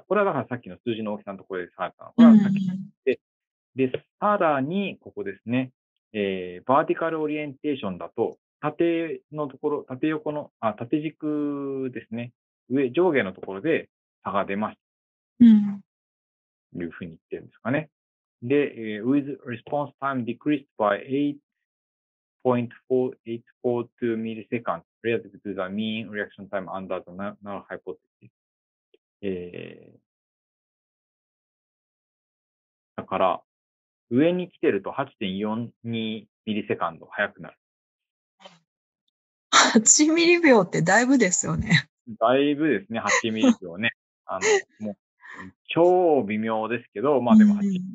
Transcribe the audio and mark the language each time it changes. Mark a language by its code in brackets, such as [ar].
[ja] これはだからさっきの数字の大きさのところで差が出たの。これはさっきの、で、さらに、ここですね、バーティカルオリエンテーションだと、縦のところ、縦軸ですね、上下のところで差が出ました。というふうに言ってるんですかね。で、 [en] with response time decreased by 8.4842 milliseconds relative to the mean reaction time under the null hypothesis. [ja] だから、上に来てると 8.42 ミリセカンド速くなる。 8ミリ秒ってだいぶですよね。だいぶですね、8ミリ秒ね。もう超微妙ですけど、まあでも8、